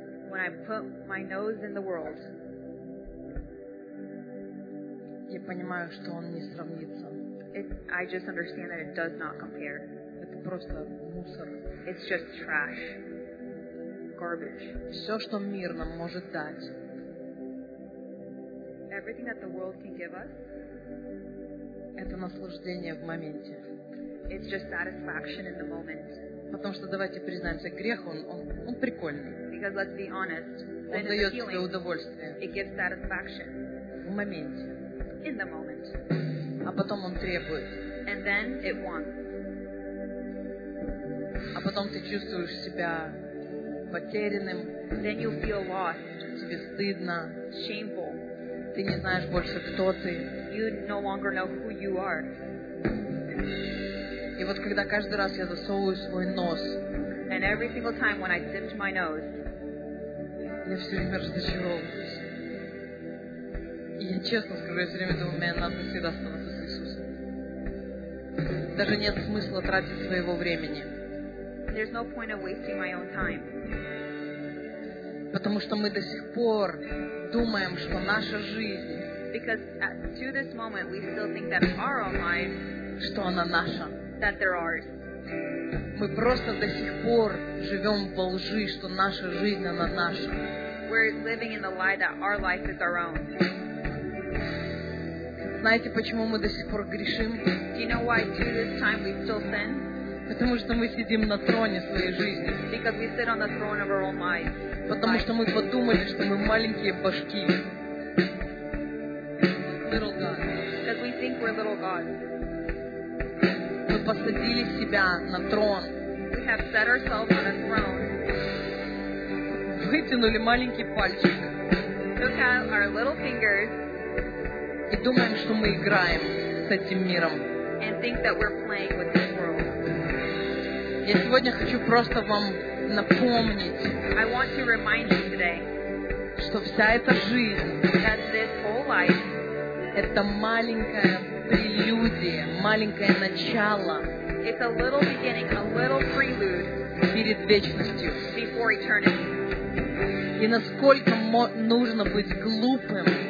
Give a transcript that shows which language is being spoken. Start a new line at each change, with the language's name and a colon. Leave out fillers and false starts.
English: when I put my nose in the world,
Russian: я понимаю, что он не сравнится.
English: I just understand that it does not compare.
Russian: Это просто мусор.
English: It's just trash. Garbage.
Russian: Все, что мир нам может дать.
English: Everything that the world can give us.
Russian: Это наслаждение в моменте.
English: It's just satisfaction in the moment.
Russian: Потому что давайте признаемся, грех он прикольный.
English: Because let's be honest.
Russian: Он дает тебе удовольствие.
English: It gives satisfaction.
Russian: В моменте.
English: In the moment.
Russian: А потом он требует.
English: And then it wants.
Russian: А потом ты чувствуешь себя потерянным.
English: Then you feel lost.
Russian: Тебе стыдно.
English: Shameful.
Russian: Ты не знаешь больше, кто ты.
English: You no longer know who you are.
Russian: И вот когда каждый раз я засовываю свой нос.
English: And every single time when I dipped my nose.
Russian: Я все время разочаровываюсь. Я честно скажу, я все время думаю, мне надо всегда оставаться с Иисусом. Даже нет смысла тратить своего времени.
English: There's no point of wasting my own time.
Russian: Потому что мы до сих пор думаем, что наша жизнь.
English: Because to this moment we still think that our own life.
Russian: Что она наша.
English: That they're ours.
Russian: Мы просто до сих пор живем во лжи, что наша жизнь она наша.
English: We're living in the lie that our life is our own.
Russian: Знаете, почему мы до сих пор грешим?
English: Do you know why to this time we still sin?
Russian: Потому что мы сидим на троне своей жизни.
English: Because we sit on the throne of our own minds.
Russian: Потому что мы подумали, что мы маленькие башки.
English: Little God. Because we think we're little God.
Russian: Мы посадили себя на трон.
English: We have set ourselves on a throne.
Russian: Вытянули маленький пальчик.
English: Took out our little fingers.
Russian: И думаем, что мы играем с этим миром.
English: And think that we're playing with this world.
Russian: Я сегодня хочу просто вам напомнить,
English: I want to remind you today,
Russian: что вся эта жизнь,
English: that this whole life,
Russian: это маленькая прелюдия, маленькое начало,
English: it's a little beginning, a little prelude,
Russian: перед вечностью.
English: Before eternity.
Russian: И насколько нужно быть глупым,